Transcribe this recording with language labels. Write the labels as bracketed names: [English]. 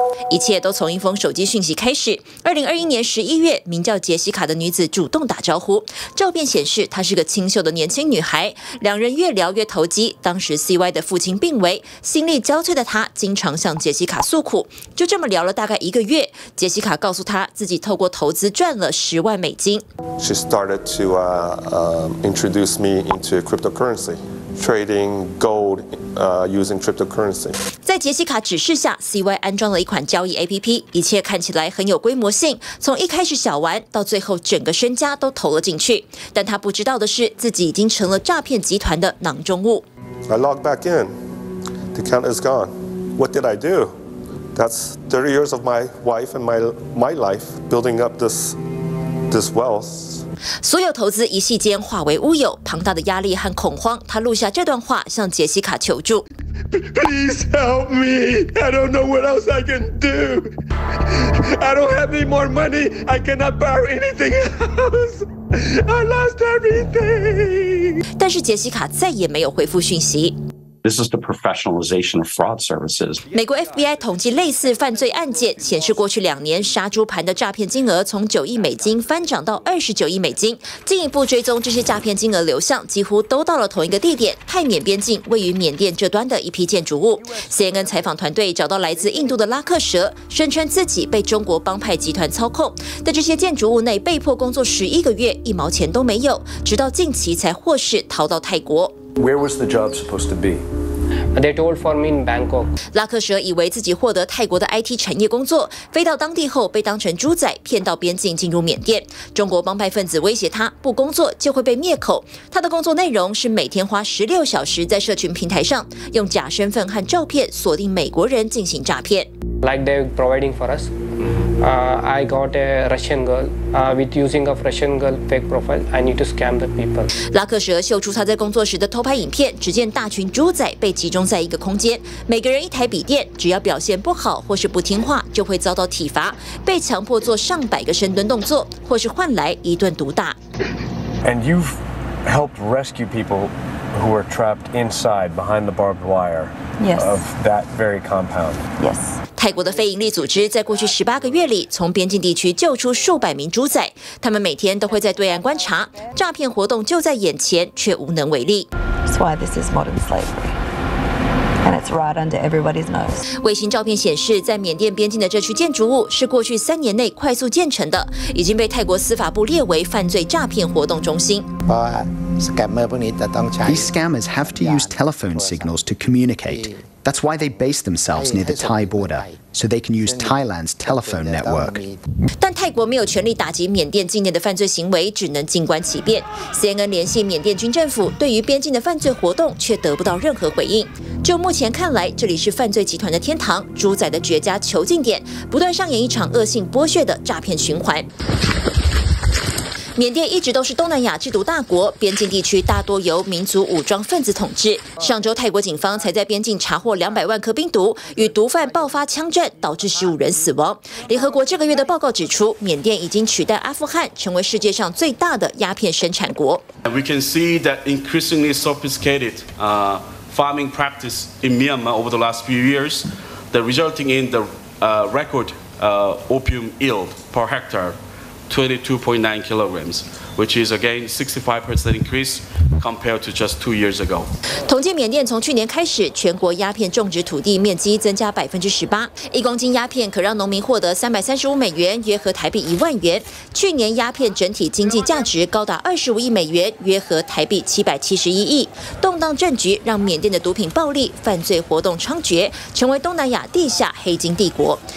[Chinese] 一切都从一封手机讯息开始。2021年11月，名叫杰西卡的女子主动打招呼，照片显示她是个清秀的年轻女孩，两人越聊越投机。当时 CY 的父亲病危，心力交瘁的她经常向杰西卡诉苦。就这么聊了大概一个月，杰西卡告诉她自己透过投资赚了10万美金。 [English] She started to introduce me into cryptocurrency. Trading gold, using cryptocurrency. [Chinese] 在杰西卡指示下 ，CY 安装了一款交易 APP， 一切看起来很有规模性。从一开始小玩，到最后整个身家都投了进去。但他不知道的是，自己已经成了诈骗集团的囊中物。 [English] I log back in. The account is gone. What did I do? That's 30 years of my wife and my life building up this wealth. [Chinese] 所有投资一夕间化为乌有，庞大的压力和恐慌，他录下这段话向杰西卡求助。 [English] Please help me! I don't know what else I can do. I don't have any more money. I cannot borrow anything else. I lost everything. [Chinese] 但是杰西卡再也没有回复讯息。 [English] This is the professionalization of fraud services. [Chinese] 美国 FBI 统计类似犯罪案件，显示过去两年杀猪盘的诈骗金额从9亿美金翻涨到29亿美金。进一步追踪这些诈骗金额流向，几乎都到了同一个地点——泰缅边境，位于缅甸这端的一批建筑物。 CNN 采访团队找到来自印度的拉克蛇，声称自己被中国帮派集团操控，在这些建筑物内被迫工作11个月，一毛钱都没有，直到近期才获释逃到泰国。 [English] Where was the job supposed to be? They told for me in Bangkok. [Chinese] 拉克蛇以为自己获得泰国的 IT 产业工作，飞到当地后被当成猪仔，骗到边境进入缅甸。中国帮派分子威胁他，不工作就会被灭口。他的工作内容是每天花16小时在社群平台上，用假身份和照片锁定美国人进行诈骗。 [English] Like they're providing for us. I got a Russian girl with using of Russian girl fake profile. I need to scam the people. [Chinese] 拉克蛇秀出他在工作时的偷拍影片，只见大群猪仔被集中在一个空间，每个人一台笔电，只要表现不好或是不听话，就会遭到体罚，被强迫做上百个深蹲动作，或是换来一顿毒打。 [English] And you've helped rescue people who are trapped inside behind the barbed wire of that very compound. Yes. [Chinese] 泰国的非营利组织在过去十八个月里，从边境地区救出数百名猪仔。他们每天都会在对岸观察，诈骗活动就在眼前，却无能为力。 [English] That's why this is modern slavery, and it's right under everybody's nose. [Chinese] 卫星照片显示，在缅甸边境的这区建筑物是过去三年内快速建成的，已经被泰国司法部列为犯罪诈骗活动中心。 [English] These scammers have to use telephone signals to communicate. That's why they base themselves near the Thai border, so they can use Thailand's telephone network. [Chinese] 但泰国没有权力打击缅甸境内的犯罪行为，只能静观其变。 CNN 联系缅甸军政府，对于边境的犯罪活动却得不到任何回应。就目前看来，这里是犯罪集团的天堂，猪仔的绝佳囚禁点，不断上演一场恶性剥削的诈骗循环。缅甸一直都是东南亚制毒大国，边境地区大多由民族武装分子统治。上周泰国警方才在边境查获200万颗冰毒，与毒贩爆发枪战，导致15人死亡。联合国这个月的报告指出，缅甸已经取代阿富汗成为世界上最大的鸦片生产国。 [English] We can see that increasingly sophisticated farming practice in Myanmar over the last few years, the resulting in the record opium yield per hectare. 22.9 kilograms, which is again 65% increase compared to just 2 years ago. [Chinese] 统计缅甸从去年开始，全国鸦片种植土地面积增加18%，一公斤鸦片可让农民获得$335，约合台币10,000元。去年鸦片整体经济价值高达25亿美元，约合台币771亿。动荡政局让缅甸的毒品暴力犯罪活动猖獗，成为东南亚地下黑金帝国。